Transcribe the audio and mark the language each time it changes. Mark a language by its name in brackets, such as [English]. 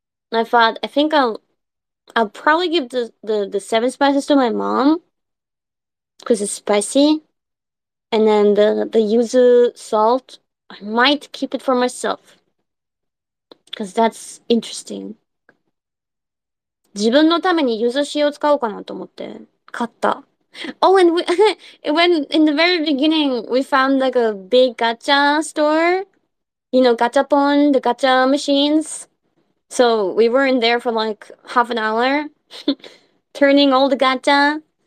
[English] And I thought, I think I'll probably give the seven spices to my mom because it's spicy, and then the yuzu salt I might keep it for myself because that's interesting. [Japanese] 自分のために柚子塩を使おうかなと思って買った。 [English] Oh, and we, when in the very beginning we found like a big gacha store, you know, gachapon, the gacha machines. So we were in there for like half an hour, turning all the gacha.